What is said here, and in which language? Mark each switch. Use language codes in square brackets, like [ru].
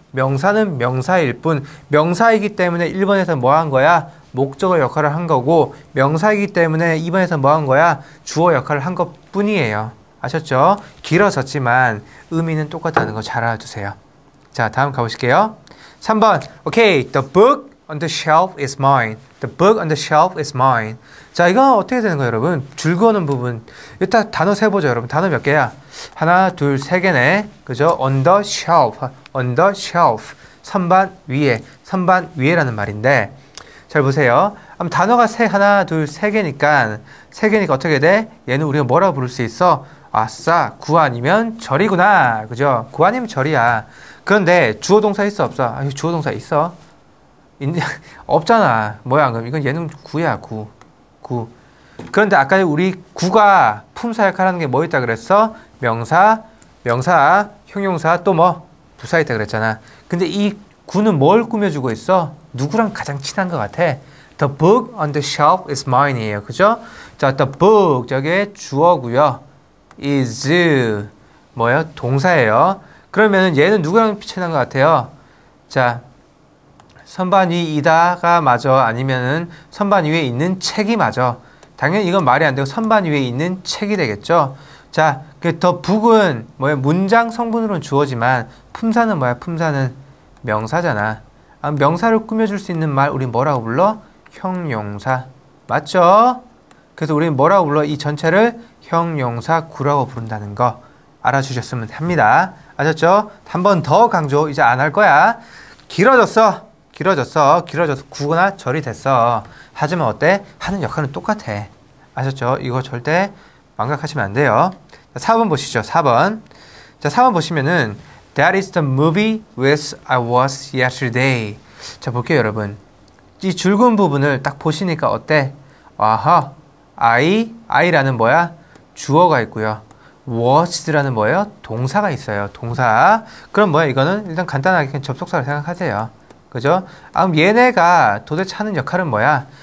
[ko] 명사는 명사일 뿐. 명사이기 때문에 1번에서 뭐 한 거야? 목적어 역할을 한 거고, 명사이기 때문에 2번에서 뭐 한 거야? 주어 역할을 한 것뿐이에요. 아셨죠? 길어졌지만 의미는 똑같다는 거 잘 알아두세요. 자, 다음 가보실게요. 3번. [en] Okay, the book on the shelf is mine. The book on the shelf is mine. [ko] 자, 이거 어떻게 되는 거예요, 여러분? 줄 그어놓은 부분. 일단 단어 세보죠, 여러분. 단어 몇 개야? 하나, 둘, 세 개네. 그죠? [en] On the shelf. On the shelf. [ko] 선반 위에. 선반 위에라는 말인데 잘 보세요. 단어가 세, 하나, 둘, 세 개니까 어떻게 돼? 얘는 우리가 뭐라고 부를 수 있어? 아싸, 구 아니면 절이구나. 그죠? 구 아니면 절이야. 그런데 주어동사 있어, 없어? 아니, 주어동사 있어. 없잖아. 뭐야, 그럼. 이건 얘는 구야, 구. 구. 그런데 아까 우리 구가 품사 역할 하는 게 뭐 있다 그랬어? 명사, 형용사, 또 뭐? 부사 있다 그랬잖아. 근데 이 구는 뭘 꾸며주고 있어? 누구랑 가장 친한 것 같아? [en] The book on the shelf is mine [ko] 이에요. 그죠? 자, [en] the book. [ko] 저게 주어고요. is. 뭐예요? 동사예요. 그러면 얘는 누구랑 친한 것 같아요? 자, 선반 위이다가 맞아. 아니면은 선반 위에 있는 책이 맞아. 당연히 이건 말이 안 되고 선반 위에 있는 책이 되겠죠? 자, the book은 뭐예요? 문장 성분으로는 주어지만 품사는 뭐야? 품사는 명사잖아. 아, 명사를 꾸며줄 수 있는 말 우리 뭐라고 불러? 형용사. 맞죠? 그래서 우리 뭐라고 불러? 이 전체를 형용사 구라고 부른다는 거 알아주셨으면 합니다. 아셨죠? 한 번 더 강조. 이제 안 할 거야. 길어졌어. 구구나 절이 됐어. 하지만 어때? 하는 역할은 똑같아. 아셨죠? 이거 절대 망각하시면 안 돼요. 4번 보시죠. 4번. 자, 4번 보시면은 [en] That is the movie with I was yesterday. [ko] 자, 볼게요, 여러분. 이 줄근 부분을 딱 보시니까 어때? 아하, I라는 뭐야? 주어가 있고요. was라는 뭐예요? 동사가 있어요. 동사. 그럼 뭐야? 이거는 일단 간단하게 그냥 접속사를 생각하세요. 그죠? 그럼 얘네가 도대체 하는 역할은 뭐야?